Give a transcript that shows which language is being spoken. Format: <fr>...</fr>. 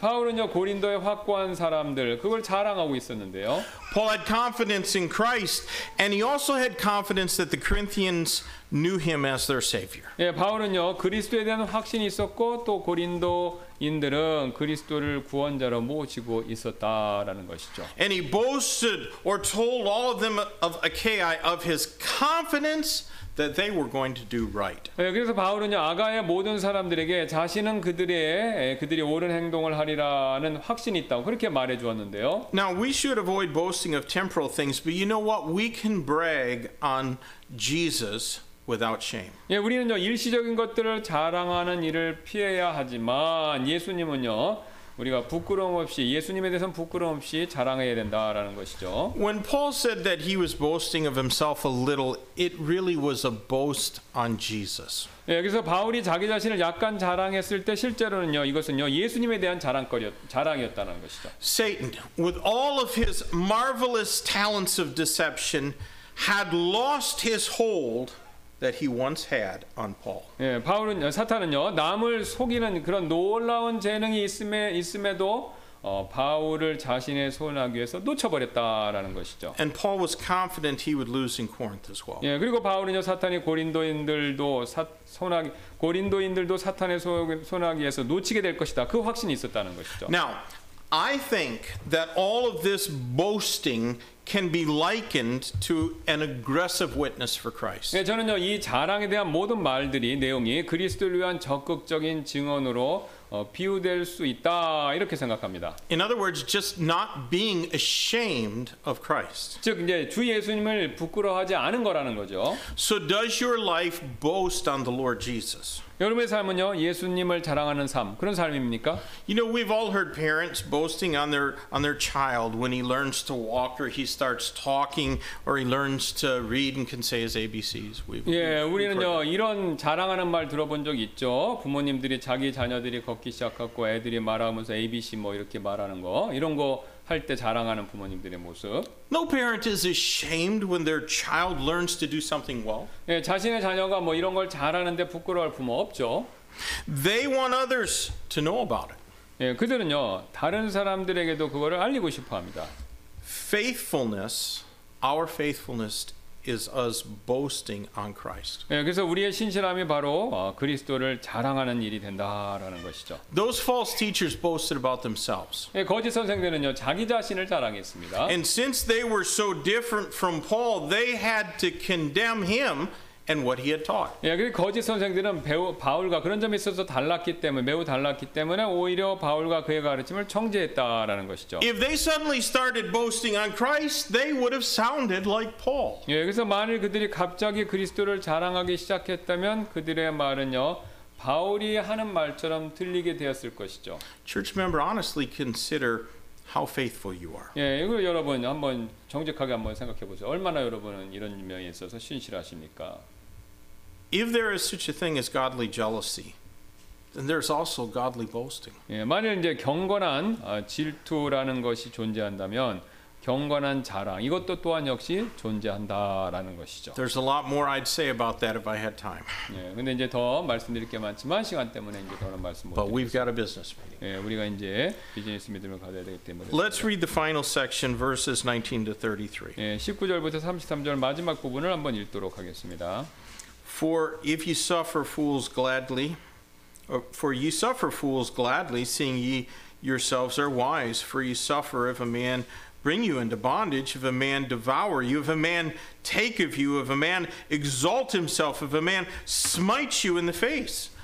<ko>예, 바울은요 고린도에 확고한 사람들 그걸 자랑하고 있었는데요.</ko> <en>Paul had confidence in Christ, and he also had confidence that the Corinthians knew him as their savior.</en> <ko>예, 바울은요 그리스도에 대한 확신이 있었고 또 고린도인들은 그리스도를 구원자로 모시고 있었다라는 것이죠.</ko> <en>And he boasted or told all of them of Achaia of his confidence that they were going to do right.</en> <ko>예, 그래서 바울은요 아가야 모든 사람들에게 자신은 그들이 옳은 행동을 하리라는 확신이 있다고 그렇게 말해 주었는데요.</ko> <en>Now we should avoid boasting of temporal things, but you know what? We can brag on Jesus without shame.</en> <ko>예, 우리는요 일시적인 것들을 자랑하는 일을 피해야 하지만 예수님은요 우리가 부끄러움 없이 예수님에 대해서는 부끄러움 없이 자랑해야 된다라는 것이죠.</ko> <en>When Paul said that he was boasting of himself a little, it really was a boast on Jesus.</en> <ko>예, 그래서 바울이 자기 자신을 약간 자랑했을 때 실제로는요, 이것은요 예수님에 대한 자랑이었다는 것이죠.</ko> <en>Satan, with all of his marvelous talents of deception, had lost his hold that he once had on Paul.</en> <ko>예, 바울은 사탄은요 남을 속이는 그런 놀라운 재능이 있음에도 바울을 자신의 손아귀에 위해서 놓쳐버렸다라는 것이죠.</ko> <en>And Paul was confident he would lose in Corinth as well.</en> <ko>예, 그리고 바울은요 사탄이 고린도인들도 사탄의 손아귀에서 놓치게 될 것이다. 그 확신이 있었다는 것이죠.</ko> <en>Now, I think that all of this boasting can be likened to an aggressive witness for Christ.</en> <ko>예, 저는요 이 자랑에 대한 모든 말들이 내용이 그리스도를 위한 적극적인 증언으로 비유될 수 있다 이렇게 생각합니다.</ko> <en>In other words, just not being ashamed of Christ.</en> <ko>즉 이제 주 예수님을 부끄러워하지 않은 거라는 거죠.</ko> <en>So does your life boast on the Lord Jesus?</en> <ko>여러분의 삶은요 예수님을 자랑하는 삶 그런 삶입니까?</ko> <en>You know, we've all heard parents boasting on their child when he learns to walk or he starts talking or he learns to read and can say his ABCs.</en> <ko>예, 우리는요 이런 자랑하는 말 들어본 적 있죠. 부모님들이 자기 자녀들이 걷기 시작하고 애들이 말하면서 ABC 뭐 이렇게 말하는 거 이런 거 할 때 자랑하는 부모님들의 모습.</ko> <en>No parent is ashamed when their child learns to do something well.</en> <ko>예, 자신의 자녀가 뭐 이런 걸 잘하는데 부끄러워할 부모 없죠.</ko> <en>They want others to know about it.</en> <ko>예, 그들은요 다른 사람들에게도 그거를 알리고 싶어합니다.</ko> <en>Faithfulness, our faithfulness is us boasting on Christ.</en> <ko>예, 그래서 우리의 신실함이 바로 그리스도를 자랑하는 일이 된다라는 것이죠.</ko> <en>Those false teachers boasted about themselves.</en> <ko>예, 거짓 선생들은요 자기 자신을 자랑했습니다.</ko> <en>And since they were so different from Paul, they had to condemn him. And what he had taught.</en> <ko>예, 그 거짓 선생들은 바울과 그런 점이 있어서 달랐기 때문에 매우 달랐기 때문에 오히려 바울과 그의 가르침을 정죄했다라는 것이죠.</ko> <en>If they suddenly started boasting on Christ, they would have sounded like Paul.</en> <ko>예, 그래서 만일 그들이 갑자기 그리스도를 자랑하기 시작했다면 그들의 말은요 바울이 하는 말처럼 들리게 되었을 것이죠.</ko> <en>Church member, honestly consider how faithful you are.</en> <ko>예, 이거 여러분 한번 정직하게 한번 생각해 보세요. 얼마나 여러분은 이런 면에 있어서 신실하십니까?</ko> <en>If there is such a thing as godly jealousy, then there's also godly boasting.</en> <ko>예, 만일 이제 경건한 질투라는 것이 존재한다면 경건한 자랑 이것도 또한 역시 존재한다라는 것이죠.</ko> <en>There's a lot more I'd say about that if I had time.</en> <ko>예, 근데 이제 더 말씀드릴 게 많지만 시간 때문에 이제 더는 말씀 못 드립니다.</ko> <en>But we've got a business meeting.</en> <ko>예, 우리가 이제 비즈니스 미팅을 가져야 되기 때문에.</ko> <en>Let's read the final section, verses 19 to 33.</en> <ko>예, 19절부터 33절 마지막 부분을 한번 읽도록 하겠습니다.</ko> <en>For if you suffer fools gladly, for you suffer fools gladly, seeing ye yourselves are wise. For you suffer if a man bring you into bondage, if a man devour you, if a man take of you, if a man exalt himself, if a man smite you in the face.</en>